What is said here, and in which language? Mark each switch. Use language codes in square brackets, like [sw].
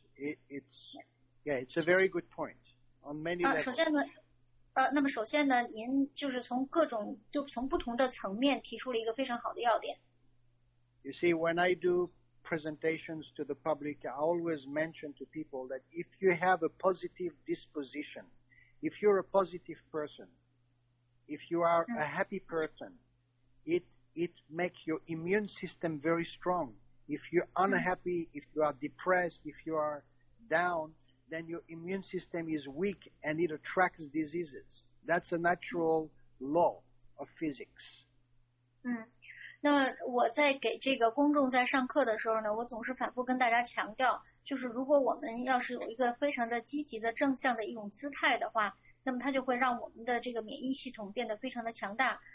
[en] It's a very good point on many levels. [zh] 那么首先呢，您就是从各种就从不同的层面提出了一个非常好的要点。 [en] You see, when I do presentations to the public, I always mention to people that if you have a positive disposition, if you're a positive person, if you are a happy person, it makes your immune system very strong. If you're unhappy, if you are depressed, if you are down. Then your immune system is weak and it attracts diseases. That's a natural law of physics. [zh] 那我在给这个公众在上课的时候呢，我总是反复跟大家强调，就是如果我们要是有一个非常的积极的正向的一种姿态的话，那么它就会让我们的这个免疫系统变得非常的强大。